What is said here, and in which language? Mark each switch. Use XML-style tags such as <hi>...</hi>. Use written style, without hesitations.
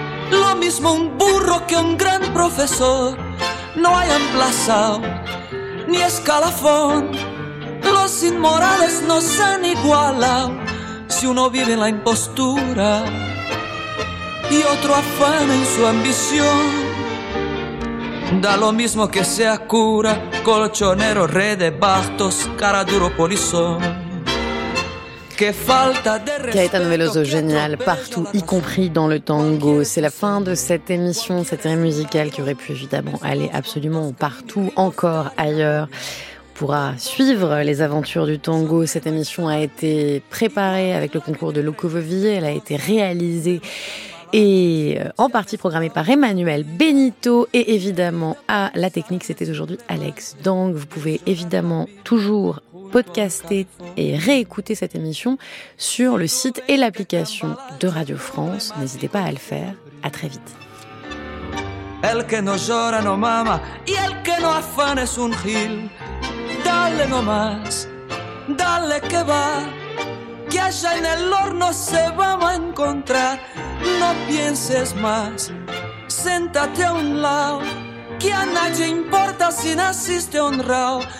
<es>Lo mismo un burro que un gran profesor. No hay emplazado ni escalafón, los inmorales nos han igualado. Si uno vive en la impostura y otro afana en su ambición, da lo mismo que sea cura, colchonero, rey de bastos, cara duro, polizón.</es> <fr>Caetano Veloso, génial, partout, y compris dans le tango. C'est la fin de cette émission, cette série musicale qui aurait pu évidemment aller absolument partout, encore ailleurs. On pourra suivre les aventures du tango. Cette émission a été préparée avec le concours de Locovovier, elle a été réalisée et en partie programmée par Emmanuel Benito, et évidemment à la technique, c'était aujourd'hui Alex Dang. Vous pouvez évidemment toujours podcaster et réécouter cette émission sur le site et l'application de Radio France. N'hésitez pas à le faire. À très vite.</fr> <es>El que no llora no mama y el que no afana es un gil. Dale no más, dale que va, que allá en el horno se vamos a encontrar. No pienses más, séntate a un lado, que a nadie importa si naciste honrado.</es>